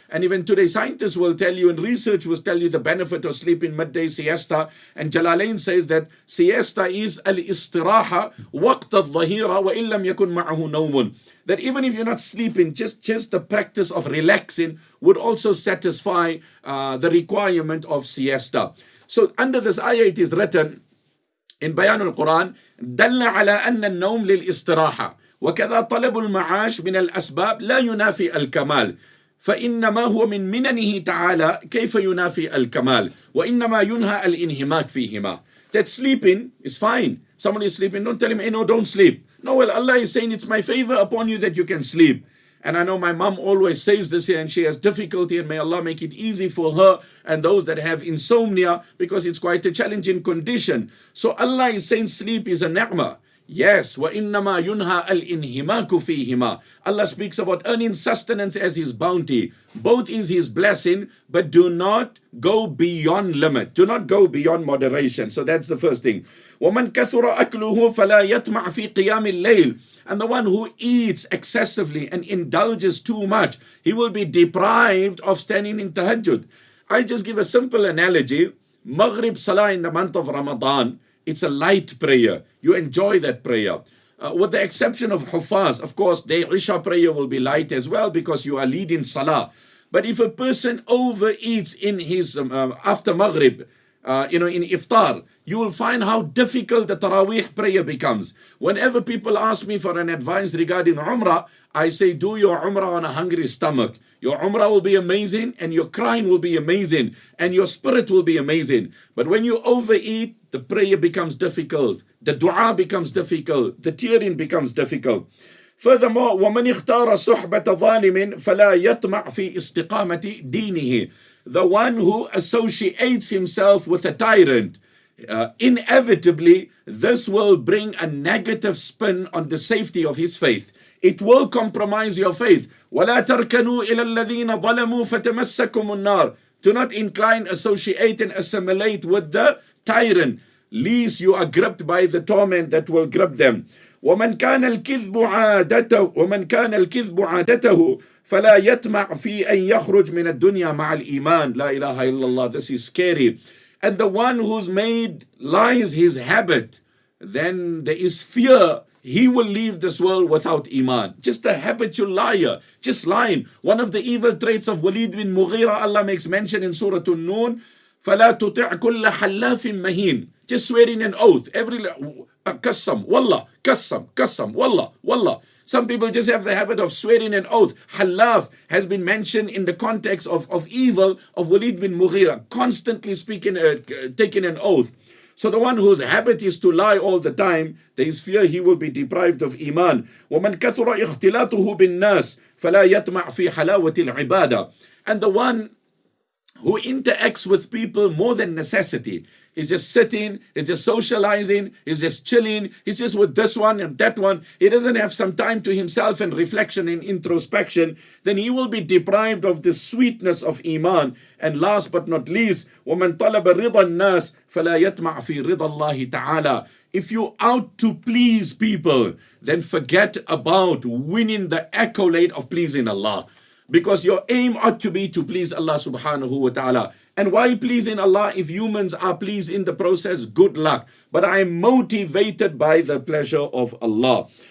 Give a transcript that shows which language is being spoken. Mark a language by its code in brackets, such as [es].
[en] And even today, scientists will tell you and research will tell you the benefit of sleeping midday siesta. And Jalalain says that siesta is [ar] al-istiraha waqt al-dhahira wa in lam yakun ma'ahu nawmun. [en] That even if you're not sleeping, just the practice of relaxing would also satisfy the requirement of siesta. So under this ayah it is written, in Bayan al-Quran, [ar] دَلَّ عَلَىٰ أَنَّ النَّوْمْ لِلْإِسْتِرَاحَ وَكَذَا طَلَبُ الْمَعَاشِ مِنَ الْأَسْبَابِ لَا يُنَافِي الْكَمَالِ فَإِنَّمَا هُوَ مِنْ مِنَنِهِ تَعَالَىٰ كَيْفَ يُنَافِي الْكَمَالِ وَإِنَّمَا يُنْهَى الْإِنْهِمَاكِ فِيهِمَا. [en] That sleeping is fine. Someone is sleeping, don't tell him, hey, no, don't sleep. No, well, Allah is saying, it's my favor upon you that you can sleep. And I know my mom always says this here, and she has difficulty, and may Allah make it easy for her and those that have insomnia, because it's quite a challenging condition. So Allah is saying sleep is a ni'mah. [ar] Yes, وَإِنَّمَا يُنْهَى الْإِنْهِمَاكُ فِيهِمَا. [en] Allah speaks about earning sustenance as his bounty. Both is his blessing, but do not go beyond limit. Do not go beyond moderation. So that's the first thing. [ar] وَمَنْ كَثُرَ أَكْلُهُ فَلَا يَطْمَعْ فِي قِيَامِ اللَّيْلِ. [en] And the one who eats excessively and indulges too much, he will be deprived of standing in tahajjud. I just give a simple analogy. Maghrib Salah in the month of Ramadan, it's a light prayer. You enjoy that prayer. With the exception of Hufaz, of course, their Isha prayer will be light as well because you are leading Salah. But if a person overeats in his after Maghrib, you know, in Iftar, you will find how difficult the Taraweeh prayer becomes. Whenever people ask me for an advice regarding Umrah, I say, do your Umrah on a hungry stomach. Your Umrah will be amazing and your crying will be amazing and your spirit will be amazing. But when you overeat, the prayer becomes difficult. The dua becomes difficult. The tearing becomes difficult. Furthermore, [ar] وَمَنْ اِخْتَارَ صُحْبَةَ ظَالِمٍ فَلَا يَطْمَعْ فِي إِسْتِقَامَةِ دِينِهِ. [en] The one who associates himself with a tyrant, inevitably, this will bring a negative spin on the safety of his faith. It will compromise your faith. [ar] وَلَا تَرْكَنُوا إِلَى الَّذِينَ ظَلَمُوا فَتَمَسَّكُمُ النَّارِ. [en] Do not incline, associate and assimilate with the tyrant, lest you are gripped by the torment that will grip them. [ar] وَمَنْ كَانَ الْكِذْبُ عَادَتَهُ وَمَنْ كَانَ الْكِذْبُ عَادَتَهُ فَلَا يَتْمَعْ فِي أَنْ يَخْرُجْ مِنَ الدُّنْيَا مَعَ الْإِيمَانِ. لَا إِلَهَ إِلَّا اللَّهُ. [en] This is scary. And the one who's made lies his habit, then there is fear he will leave this world without iman. Just a habitual liar, just lying. One of the evil traits of Walid bin Mughira, Allah makes mention in Surah An-Nun, [ar] فَلَا تُطِعْ كُلَّ حَلَّافٍ مَهِينٍ. [en] Just swearing an oath. Every [ar] قَسَّمْ وَاللَّهِ قَسَّمْ قَسَّمْ وَاللَّهِ وَاللَّهِ. [en] Some people just have the habit of swearing an oath. Hallaf has been mentioned in the context of evil of Walid bin Mughira, constantly speaking, taking an oath. So the one whose habit is to lie all the time, there is fear he will be deprived of iman. [ar] وَمَنْ كَثُرَ إِخْتِلَاطُهُ بِالنَّاسِ فَلَا يَطْمَعْ فِي حَلَاوَةِ الْعِبَادَةِ. [en] And the one who interacts with people more than necessity, he's just sitting, he's just socializing, he's just chilling, he's just with this one and that one, he doesn't have some time to himself and reflection and introspection, then he will be deprived of the sweetness of iman. And last but not least, [ar] وَمَنْ طَلَبَ رِضَ النَّاسِ فَلَا يَطْمَعْ فِي رِضَ اللَّهِ تَعَالَى. [en] If you're out to please people, then forget about winning the accolade of pleasing Allah. Because your aim ought to be to please Allah subhanahu wa ta'ala. And while pleasing Allah, if humans are pleased in the process, good luck. But I am motivated by the pleasure of Allah.